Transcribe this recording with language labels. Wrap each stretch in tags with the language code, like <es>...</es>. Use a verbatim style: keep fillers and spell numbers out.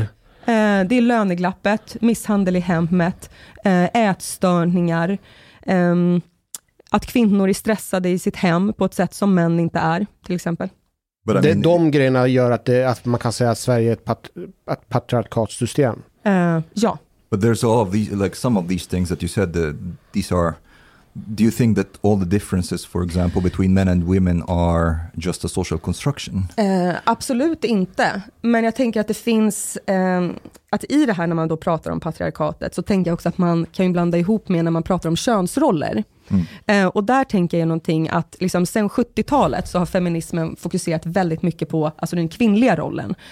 <sv>Eh, det är löneglappet, misshandel i hemmet, eh, ätstörningar, eh, att kvinnor är stressade i sitt hem på ett sätt som män inte är, till exempel. Det, mean, de grejerna gör att, det, att man kan säga att Sverige är ett pat, ett patriarkatsystem. Uh, ja.</sv> <en>But there's all of these, like some of these things that you said, uh, these are, do you think that all the differences, for example, between men and women are just a social construction?</en> <sv>Uh, absolut inte. Men jag tänker att det finns, um, att i det här när man då pratar om patriarkatet så tänker jag också att man kan ju blanda ihop med när man pratar om könsroller. Mm. Uh, och där tänker jag någonting att liksom, sen sjuttiotalet så har feminismen fokuserat väldigt mycket på alltså, den kvinnliga rollen.</sv>